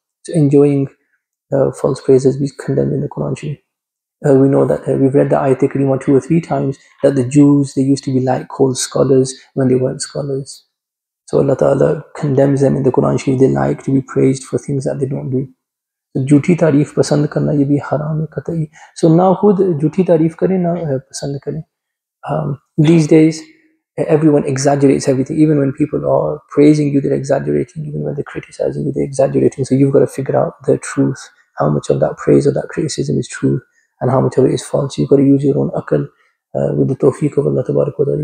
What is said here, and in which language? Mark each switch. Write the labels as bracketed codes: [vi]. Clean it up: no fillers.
[en] So enjoying false praise has been condemned in the Quran. We know that we've read the Ayat al-Karima two or three times, that the Jews, they used to be like called scholars when they weren't scholars. So Allah Ta'ala condemns them in the Quran. They like to be praised for things that they don't do. [ur] جھوٹی تعریف پسند کرنا یہ بھی حرام ہے قطعی۔ So now خود جھوٹی تعریف کرے نہ پسند کرے۔ [en] These days everyone exaggerates everything. Even when people are praising you, they're exaggerating. Even when they're criticizing you, they're exaggerating. So you've got to figure out the truth, how much of that praise or that criticism is true and how much of it is false. You've got to use your own akal with the tawfiq of Allah tabarak wa ta'ala.